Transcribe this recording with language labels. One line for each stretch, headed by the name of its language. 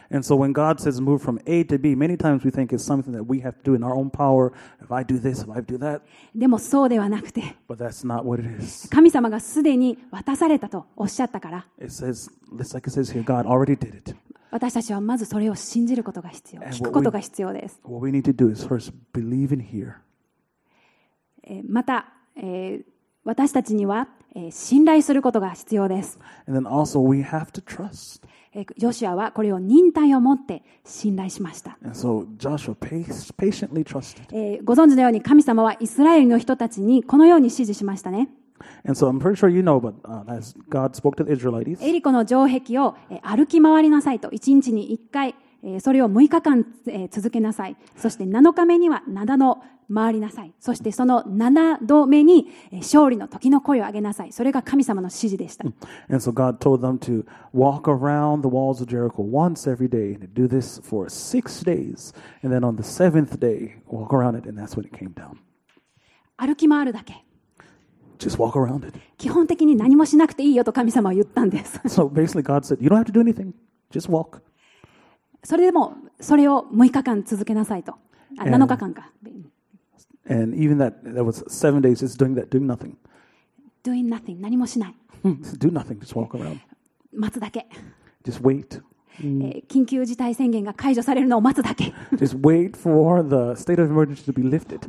English: And so when God says move from A to B, many times we think it's something that we have to do in our own power. If I do this, if I do that.
Japanese: でもそうではなくて。
English: But that's not what it is.
Japanese: 神様がすでに渡されたとおっしゃったから。
English: It says, just like it says here, God already did it.
Japanese: 私たちはまずそれを信じることが必要、聞くことが必要です。
English: What we need to do is first believe and hear.
Japanese: また、私たちには、信頼することが必要です。
English: And then also we have to trust.
Japanese: ヨシュアはこれを忍耐を持って信頼しました。
English: And so Joshua patiently trusted.
Japanese: ご存知のように神様はイスラエルの人たちにこのように指示しましたね。
English: And so I'm pretty sure you know, but as God spoke to the Israelites,
Japanese: エリコの城壁を歩き回りなさいと、1日に1回、それを6日間続けなさい。そして7日目には灘の回りなさい。そしてその7度目に勝利の時の声を上げなさい。それが神様の指示でした。
English: And so God told them to walk around the walls of Jericho once every day and do this for 6 days. And then on the 7th day, walk around it, and that's when it came down.
Japanese: 歩き回るだけ。
English: Just walk around it.
Japanese: 基本的に何もしなくていいよと神様は言ったんです。
English: So basically God said, you don't have to do anything. Just walk.
Japanese: それでもそれを6日間続けなさいと。あ、7日間か。
English: And even that was 7 days, just doing that, doing nothing. Doing nothing,
Japanese: 何もしない。
English: Do nothing, just walk around.
Japanese: 待つだけ。
English: Just wait.
Japanese: 緊急事態宣言が解除されるのを待つだけ。
English: Just wait for the state of emergency to be lifted.